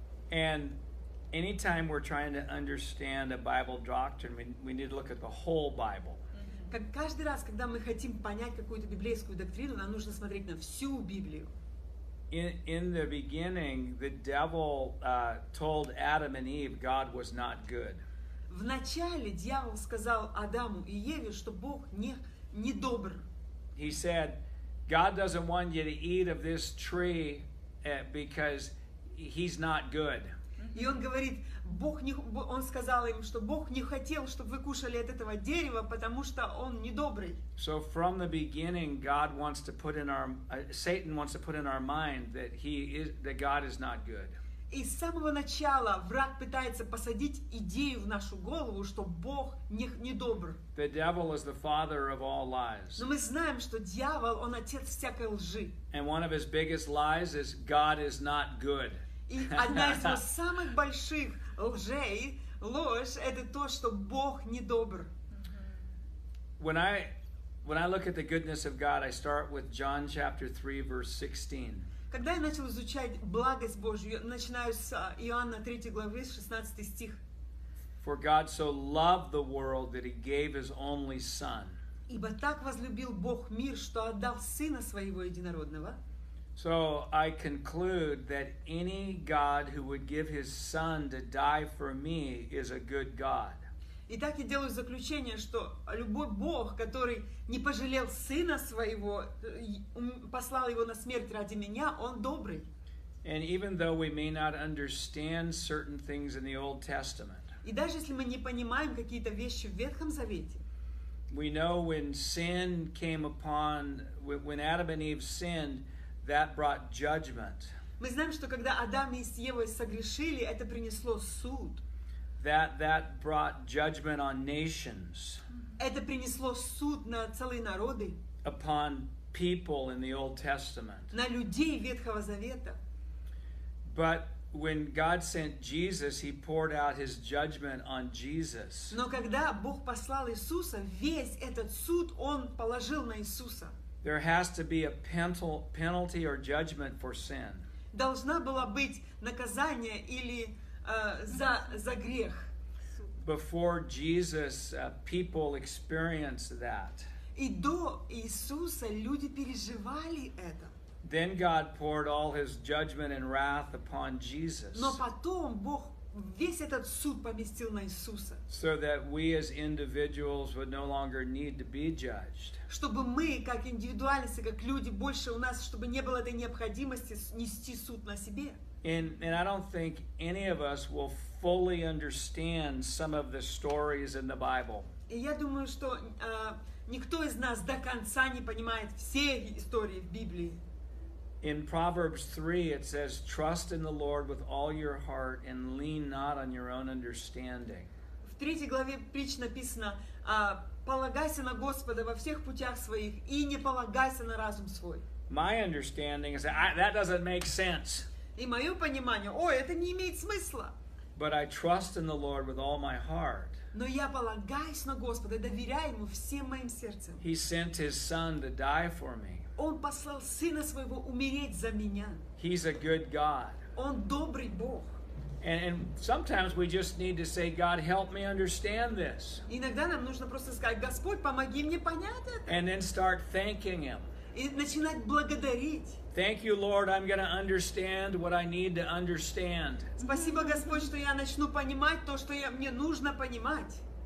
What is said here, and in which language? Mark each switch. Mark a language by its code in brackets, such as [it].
[en] And anytime we're trying to understand a Bible doctrine, we need to look at the whole Bible. [ru] Как каждый раз, когда мы хотим понять какую-то библейскую доктрину, нам нужно смотреть на всю Библию. [en] In the beginning, the devil told Adam and Eve God was not good. [ru] В начале дьявол сказал Адаму и Еве, что Бог не добр. [en] He said, God doesn't want you to eat of this tree because he's not good. [ru] И он говорит, Бог не, он сказал им, что Бог не хотел, чтобы вы кушали от этого дерева, потому что он недобрый. [en] So from the beginning, God wants to put in our, Satan wants to put in our mind that he is, that God is not good. [ru] И с самого начала враг пытается посадить идею в нашу голову, что Бог не добр. [en] The devil is the father of all lies. [ru] Но мы знаем, что дьявол, он отец всякой лжи. [en] And one of his biggest lies is God is not good. [ru] И одна из его самых больших лжей, ложь, это то, что Бог не добр. [en] When I look at the goodness of God, I start with John chapter 3, verse 16. [ru] Когда я начал изучать благость Божью, начинаю с Иоанна 3 главы, 16 стих. [en] For God so loved the world that he gave his only son. [ru] Ибо так возлюбил Бог мир, что отдал сына своего единородного. [en] So I conclude that any God who would give his son to die for me is a good God. [ru] И так я делаю заключение, что любой Бог, который не пожалел сына своего, послал его на смерть ради меня, он добрый. [en] And even though we may not understand certain things in the Old Testament. [ru] И даже если мы не понимаем какие-то вещи в Ветхом Завете. [en] We know when sin came upon, when Adam and Eve sinned, that brought judgment. [ru] Мы знаем, что когда Адам и Ева согрешили, это принесло суд. [en] That brought judgment on nations. [ru] Это принесло суд на целые народы. [en] Upon people in the Old Testament. [ru] На людей Ветхого Завета. [en] But when God sent Jesus, he poured out his judgment on Jesus. [ru] Но когда Бог послал Иисуса, весь этот суд он положил на Иисуса. [en] There has to be a penalty or judgment for sin. [ru] Должна была быть наказание или за грех. [en] Before Jesus, people experienced that. [ru] И до Иисуса люди переживали это. [en] Then God poured all his judgment and wrath upon Jesus. [ru] Но потом Бог весь этот суд поместил на Иисуса. [en] So that we as individuals would no longer need to be judged. [ru] Чтобы мы, как индивидуальности, как люди, больше у нас, чтобы не было этой необходимости нести суд на себе. [en] And I don't think any of us will fully understand some of the stories in the Bible. [ru] И я думаю, что никто из нас до конца не понимает все истории в Библии. [en] In Proverbs 3 it says, "Trust in the Lord with all your heart and lean not on your own understanding." [ru] В 3 главе притч написано: "Полагайся на Господа во всех путях своих и не полагайся на разум свой." [en] My understanding is that doesn't make sense. [ru] И мое понимание, ой, это не имеет смысла. [en] But I trust in the Lord with all my heart. [ru] Но я полагаюсь на Господа, доверяю Ему всем моим сердцем. [en] He sent His Son to die for me. [ru] Он послал Сына Своего умереть за меня. [en] He's a good God. [ru] Он добрый Бог. [en] And sometimes we just need to say, God, help me understand this. [ru] Иногда нам нужно просто сказать, Господь, помоги мне понять это. [en] And then start thanking Him. [ru] И начинать благодарить. [en] Thank you, Lord, I'm going to understand what I need to understand. [ru] Спасибо, Господь, что я начну понимать то, что мне нужно понимать.